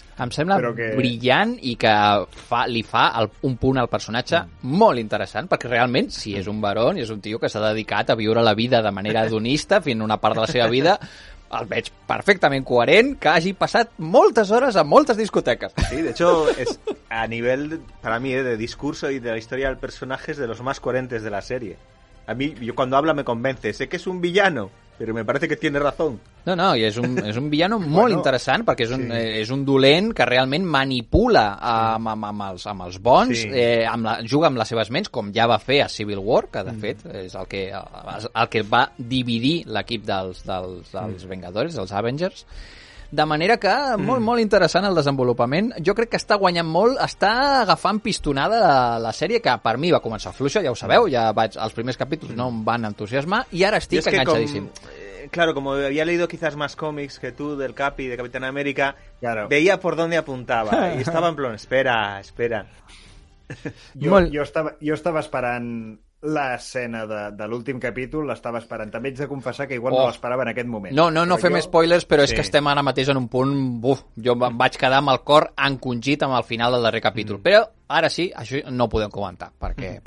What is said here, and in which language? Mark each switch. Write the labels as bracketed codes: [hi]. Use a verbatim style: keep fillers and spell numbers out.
[ca] Em sembla que... brillant i que fa, li fa el, un punt al personatge mm. molt interessant, perquè realment, si és un barón, és un tio que s'ha dedicat a viure la vida de manera hedonista, fins a una part de la seva vida, el veig perfectament coherent que hagi passat moltes hores a moltes discotecas. [es] Sí, de hecho, es, a nivel, para mí, de discurso y de la historia del personaje es de los más coherentes de la serie. A mí, yo cuando habla me convence, sé que es un villano, pero me parece que tiene razón. [ca] No, no, i és un, és un villano molt bueno, interessant, perquè és un, sí. és un dolent que realment manipula amb, amb, amb, els, amb els bons, sí. eh, amb la, juga amb les seves ments, com ja va fer a Civil War, que de mm. fet és el que, el, el que va dividir l'equip dels, dels, dels mm. Vengadores, dels Avengers. De manera que, molt, mm. molt interessant el desenvolupament. Jo crec que està guanyant molt, està agafant pistonada la, la sèrie, que per mi va començar fluixa, ja ho sabeu, ja vaig, els primers capítols no em van entusiasmar, i ara estic enganxadíssim. [es] Eh, claro, como había leído quizás más cómics que tú del Capi, de Capitán América, claro. veía por dónde apuntaba, y estaba en plan, espera, espera. [ca] Jo, molt... jo, estava, jo estava esperant... l'escena de, de l'últim capítol l'estava esperant. També haig de confessar que igual oh. no l'esperava en aquest moment. No, no, no fem jo... spoilers, però sí. és que estem ara mateix en un punt... Buf, jo em vaig quedar amb el cor encongit amb el final del darrer capítol. Mm. Però ara sí, això no ho podem comentar, perquè, mm.